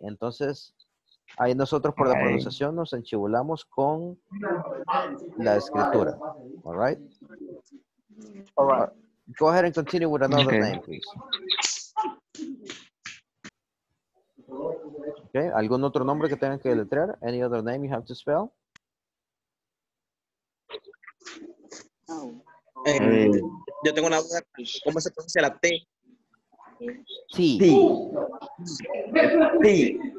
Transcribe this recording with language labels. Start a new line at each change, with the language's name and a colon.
Spanish: Entonces, ahí nosotros por la pronunciación nos enchibulamos con la escritura.
English: All right? All right. Go ahead and continue with another name, please.
Spanish: Okay, ¿algún otro nombre que tengan que deletrear?
English: Any other name you have to spell?
Spanish: Yo tengo una duda. ¿Cómo se pronuncia la T? T. T. T.